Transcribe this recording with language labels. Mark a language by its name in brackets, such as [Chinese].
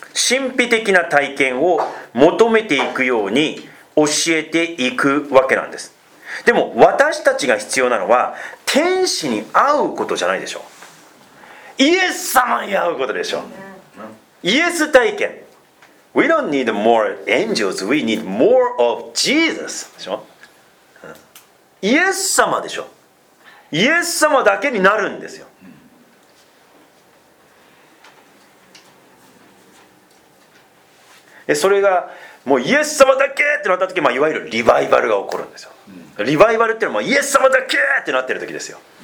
[Japanese] 神秘的な体験を求めていくように教えていくわけなんです。でも私たちが必要なのは天使に会うことじゃないでしょう。イエス様に会うことでしょう。イエス体験。 [English] We don't need more angels, we need more of Jesus [Japanese] でしょ。イエス様でしょ。イエス様だけになるんですよ。それがもうイエス様だけってなった時、まあ、いわゆるリバイバルが起こるんですよ。リバイバルっていうのはイエス様だけってなってる時ですよ。